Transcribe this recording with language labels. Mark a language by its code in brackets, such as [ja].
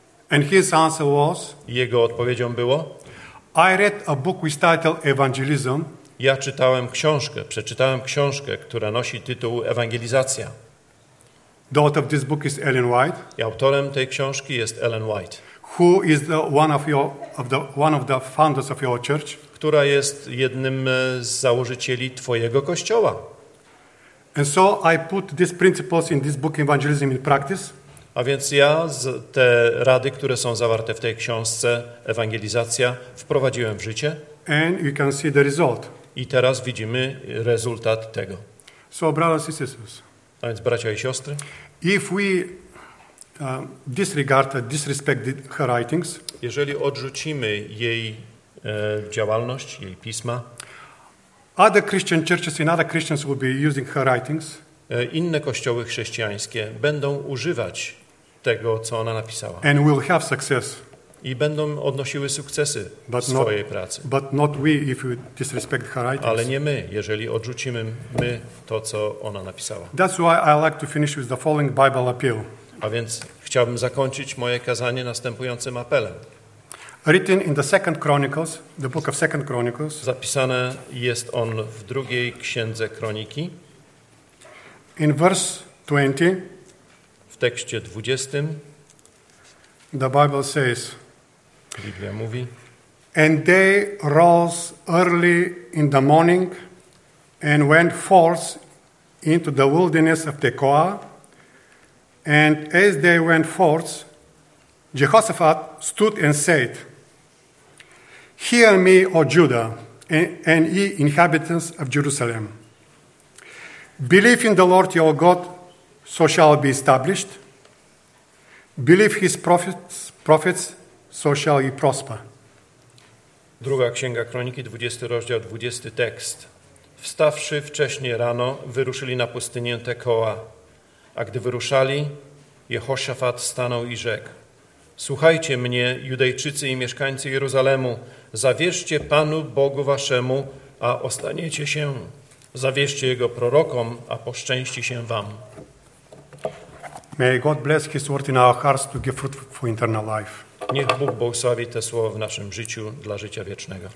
[en] And his answer was, [pl] jego odpowiedzią było, [en] I read a book with title Evangelism. [pl] Ja czytałem książkę, przeczytałem książkę, która nosi tytuł Ewangelizacja. [en] The author of this book is Ellen White. [pl] I autorem tej książki jest Ellen White, [en] who is the one of the founders of your church, [pl] która jest jednym z założycieli twojego kościoła. [en] And so I put these principles in this book Evangelism in practice. [pl] A więc ja te rady, które są zawarte w tej książce Ewangelizacja, wprowadziłem w życie. [en] And you can see the result. [pl] I teraz widzimy rezultat tego. [en] So brothers and sisters. [pl] A więc bracia i siostry. [en] If we disregard or disrespect her writings, [pl] jeżeli odrzucimy jej działalność, jej pisma, [en] other Christian churches and other Christians will be using her writings. [pl] Inne kościoły chrześcijańskie będą używać tego, co ona napisała. [en] And will have success. [pl] i będą odnosiły sukcesy [en] but [pl] swojej [en] not, [pl] pracy. [en] But not we, if we disrespect her writings. [pl] Ale nie my, jeżeli odrzucimy my to, co ona napisała. [en] That's why I like to finish with the following Bible appeal. [pl] A więc chciałbym zakończyć moje kazanie następującym apelem. [en] Written in the Second Chronicles, the book of Second Chronicles. [pl] Zapisane jest on w drugiej księdze Kroniki. [en] In verse 20, [pl] w tekście 20, [en] the Bible says, [pl] Biblia mówi, [en] and they rose early in the morning and went forth into the wilderness of Tekoa. And as they went forth, Jehoshaphat stood and said, Hear me, O Judah, and ye inhabitants of Jerusalem. Believe in the Lord your God, so shall it be established. Believe his prophets, so shall ye prosper. [pl] Druga księga Kroniki, 20 rozdział, 20 tekst. Wstawszy wcześnie rano, wyruszyli na pustynię Tekoa. A gdy wyruszali, Jehoszafat stanął i rzekł. Słuchajcie mnie, Judejczycy i mieszkańcy Jerozolimu, zawierzcie Panu Bogu waszemu, a ostaniecie się. Zawierzcie Jego prorokom, a poszczęści się wam. [en] May God bless His word in our hearts to give fruit for eternal life. [pl] Niech Bóg błogosławi te słowa w naszym życiu dla życia wiecznego.